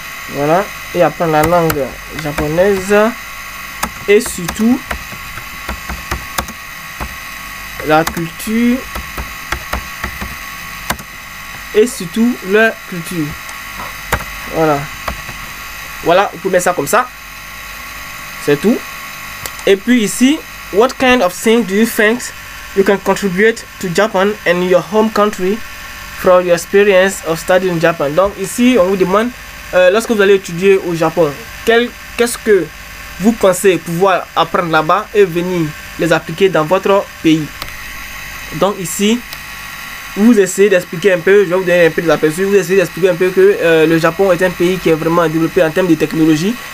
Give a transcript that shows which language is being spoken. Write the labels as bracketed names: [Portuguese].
[French] Voilà, et apprendre la langue japonaise et surtout la culture et surtout leur culture. Voilà, voilà, vous pouvez mettre ça comme ça, c'est tout. Et puis ici, [English] what kind of thing do you think you can contribute to Japan and your home country from your experience of studying in Japan? [French] Donc ici, on vous demande, lorsque vous allez étudier au Japon, qu'est-ce que vous pensez pouvoir apprendre là-bas et venir les appliquer dans votre pays? Donc ici, vous essayez d'expliquer un peu, je vais vous donner un peu des aperçus, vous essayez d'expliquer un peu que le Japon est un pays qui est vraiment développé en termes de technologie.